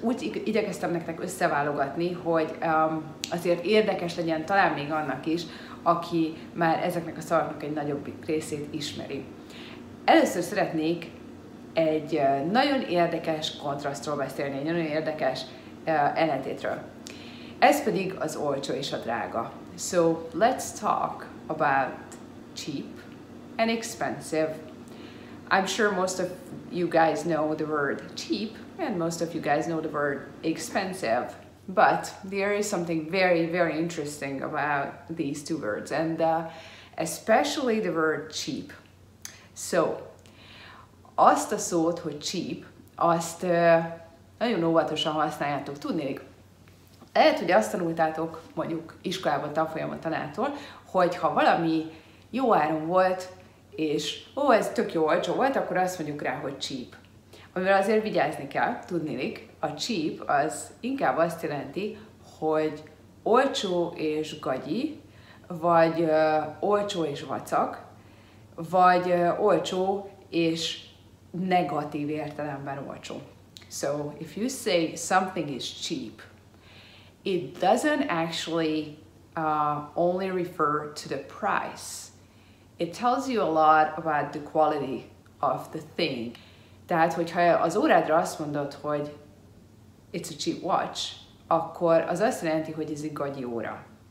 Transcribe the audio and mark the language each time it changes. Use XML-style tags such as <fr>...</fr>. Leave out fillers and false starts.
<hu>Úgy igyekeztem nektek összeválogatni, hogy azért érdekes legyen talán még annak is, aki már ezeknek a szavaknak egy nagyobb részét ismeri. Először szeretnék egy nagyon érdekes kontrasztról beszélni, egy nagyon érdekes ellentétről. Ez pedig az olcsó és a drága.</hu> <en>So, let's talk about cheap and expensive. I'm sure most of you guys know the word cheap and most of you guys know the word expensive. But there is something very, very interesting about these two words and especially the word cheap.</en> <hu>So, azt a szót, hogy cheap, azt nagyon óvatosan használjátok, tudnék. Lehet, hogy azt tanultátok, mondjuk iskolában, tanfolyamon, tanártól, hogy ha valami jó áron volt, és ó, ez tök jó, olcsó volt, akkor azt mondjuk rá, hogy cheap. Amivel azért vigyázni kell, tudnilik, a cheap az inkább azt jelenti, hogy olcsó és gagyi, vagy olcsó és vacak, vagy olcsó és negatív értelemben olcsó.</hu> <en>So, if you say something is cheap, it doesn't actually only refer to the price. It tells you a lot about the quality of the thing.</en> <hu>Tehát, hogyha az órádra azt mondod, hogy</hu> <en>it's a cheap watch,</en> <hu>akkor az azt jelenti, hogy ez egy gagyi óra.</hu>